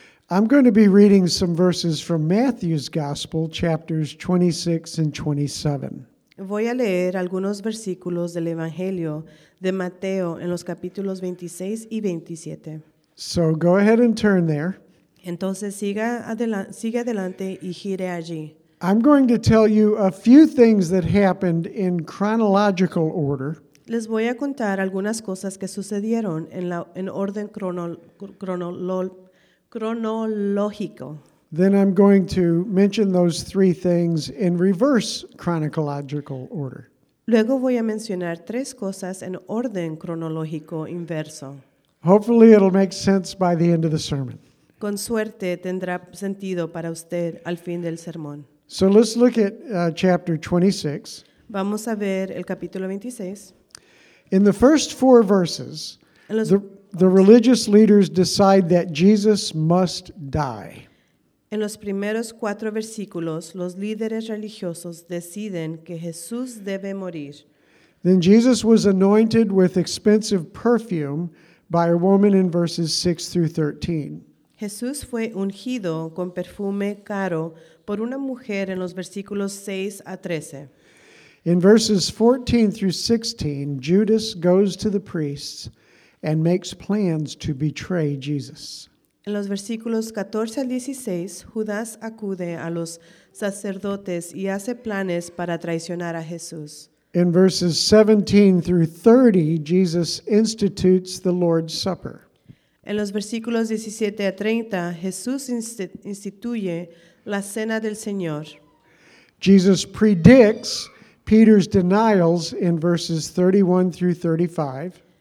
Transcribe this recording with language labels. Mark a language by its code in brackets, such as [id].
[en] I'm going to be reading some verses from Matthew's Gospel, chapters 26 and 27. [es] Voy a leer algunos versículos del Evangelio de Mateo en los capítulos 26 y 27. [en] So go ahead and turn there. [es] Entonces siga adelante y gire allí. [en] I'm going to tell you a few things that happened in chronological order. [es] Les voy a contar algunas cosas que sucedieron en orden cronológico. [en] Then I'm going to mention those three things in reverse chronological order. [es] Luego voy a mencionar tres cosas en orden cronológico inverso. [en] Hopefully it'll make sense by the end of the sermon. [es] Con suerte tendrá sentido para usted al fin del sermón. [en] So let's look at chapter 26. [es] Vamos a ver el capítulo 26. [en] In the first four verses, the religious leaders decide that Jesus must die. [es] En los primeros cuatro versículos, los líderes religiosos deciden que Jesús debe morir. [en] Then Jesus was anointed with expensive perfume by a woman in verses 6 through 13. [es] Jesús fue ungido con perfume caro por una mujer en los versículos 6 a 13. [en] In verses 14 through 16, Judas goes to the priests and makes plans to betray Jesus. [es] En los versículos 14 al 16, Judas acude a los sacerdotes y hace planes para traicionar a Jesús. [en] In verses 17 through 30, Jesus institutes the Lord's Supper. [es] En los versículos 17 a 30, Jesús instituye la Cena del Señor. [en] Jesus predicts Peter's denials in verses 31 through 35.